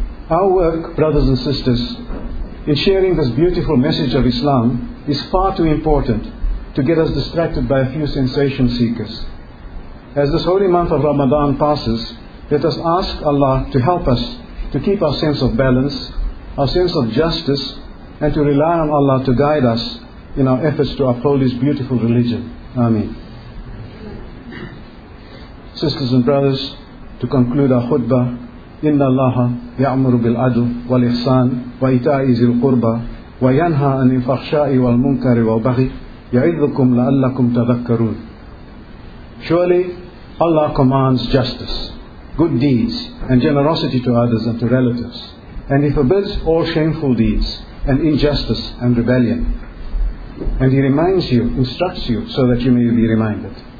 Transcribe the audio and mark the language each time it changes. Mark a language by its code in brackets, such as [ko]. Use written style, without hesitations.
[en] Our work, brothers and sisters, in sharing this beautiful message of Islam is far too important to get us distracted by a few sensation seekers. As this holy month of Ramadan passes, let us ask Allah to help us to keep our sense of balance, our sense of justice, and to rely on Allah to guide us in our efforts to uphold His beautiful religion. Ameen. Sisters and brothers, to conclude our khutbah, [ar] إِنَّ اللَّهَ يَعْمُرُ بِالْعَدْلِ وَالْإِحْسَانِ وَإِيتَاءِ ذِي الْقُرْبَى وَيَنْهَى عَنِ الْفَحْشَاءِ وَالْمُنكَرِ وَالْبَغْيِ يَعِظُكُمْ لَعَلَّكُمْ تَذَكَّرُونَ. [en] Surely Allah commands justice, good deeds, and generosity to others and to relatives, and He forbids all shameful deeds and injustice and rebellion. And He reminds you, instructs you, so that you may be reminded.